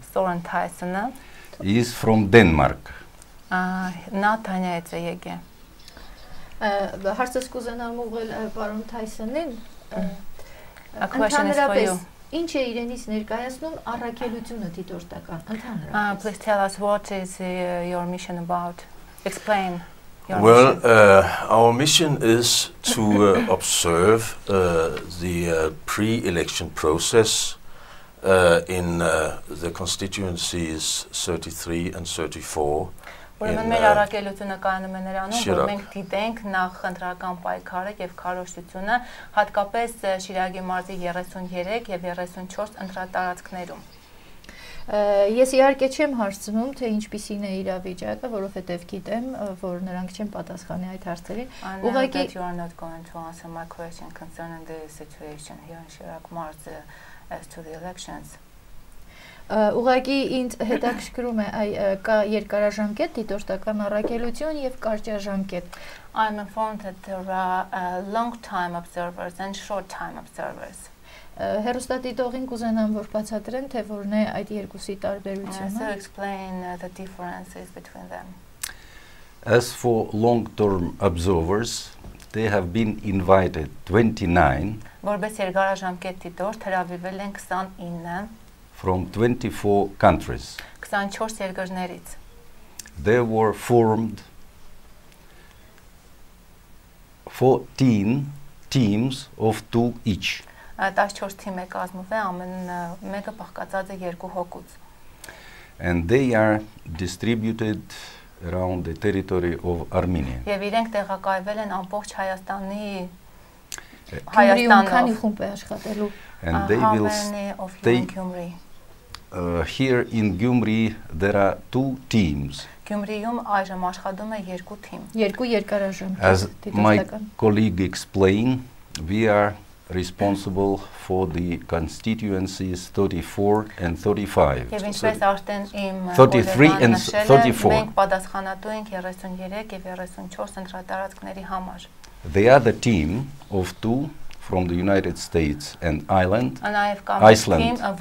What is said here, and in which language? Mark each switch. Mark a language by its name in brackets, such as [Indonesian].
[Armenian] Սորեն Թայսոնը։ [English] Is from Denmark. [Armenian] Նա Թանյայից է եկել։ Հարցս կուզենամ ուղղել պարոն Թայսոնին։ Ընդհանրապես, ինչ է իրենից ներկայացնում առաքելությունը դիտորդական, ընդհանրապես։ [English] Please tell us what is your mission about. Explain your mission. Well, our mission is to observe the pre-election process in the constituencies 33 and 34. [Armenian] Ուրեմն մեր առաքելությունը կայանում է նրանում, որ մենք դիտենք նախ ընտրական պայքարը եւ քարոշությունը հատկապես Շիրակի մարզի 33 եւ 34 ընտրատարածքներում։ Ես իհարկե չեմ հարցնում, թե ինչպիսին է իրավիճակը, որովհետեւ գիտեմ, որ նրանք չեն պատասխանի այդ հարցերին։ Ուղղակի [English] you are not going to answer my question concerning the situation here in Shirak Marz as to the elections. [Armenian] Ուղղակի ինձ հետաքրքրում է այ կա երկարաժամկետ դիտորդական առաքելություն եւ կարճաժամկետ։ [English] I'm informed that there are long-time observers and short-time observers. [Armenian] Հեռուստադիտողին կուզենամ որ բացատրեն, թե որն է այդ երկուսի տարբերությունը։ [English] So explain the differences between them. As for long-term observers, they have been invited 29. [Armenian] Որպես երկարաժամկետ դիտորդ հրավիրվել են 29-ը։ [English] From 24 countries. 24 [Armenian] երկրներից. [English] They were formed 14 teams of 2 each. [Armenian] 14 թիմը կազմվել է ամեն մեկը բաղկացած է 2 հոգուց. [English] And they are distributed around the territory of Armenia. [Armenian] Եվ իրենք տեղակայվել են ամբողջ Հայաստանի Հայաստանի քանի խումբ է աշխատելու։ [English] And they will stay in Gyumri. Here in Gyumri there are 2 teams. [Armenian] Գյումրիում այժմ աշխատում է 2 թիմ։ 2 երկարաժամկետ դիտորդական։ [English] As my colleague explained, we are responsible for the constituencies 34 and 35. [Armenian] Եվ ինչպես արդեն իմ [English] 33 and 34. [Armenian] Մենք պատասխանատու ենք 33 եւ 34 ընտրատարածքների համար. [English] They are the team of two from the United States and Ireland. Iceland.